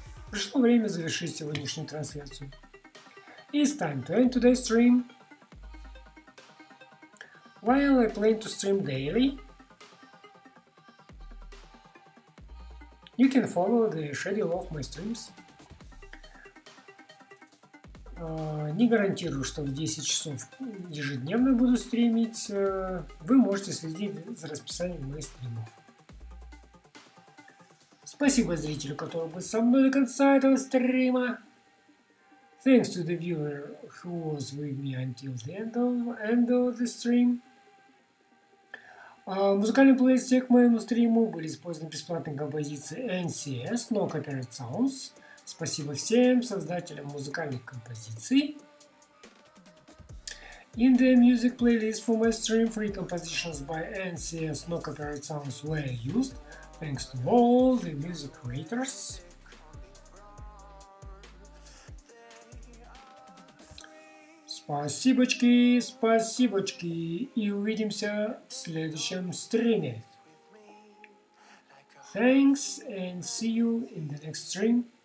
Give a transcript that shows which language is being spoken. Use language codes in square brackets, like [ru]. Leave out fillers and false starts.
[ru] Пришло время завершить сегодняшнюю трансляцию. [en] It's time to end today's stream. While I plan to stream daily, you can follow the schedule of my streams. [ru] Не гарантирую, что в 10 часов ежедневно буду стримить. Вы можете следить за расписанием моих стримов. Спасибо зрителю, который был со мной до конца этого стрима. [en] Thanks to the viewer who was with me until the end of the stream. [ru] Музыкальный плейлистик к моему стриму были использованы бесплатные композиции NCS, No Copyright Sounds. Спасибо всем создателям музыкальных композиций. [en] In the music playlist for my stream, free compositions by NCS No Copyright Sounds were used. Thanks to all the music creators. [ru] Спасибочки, спасибочки. И увидимся в следующем стриме. [en] Thanks and see you in the next stream.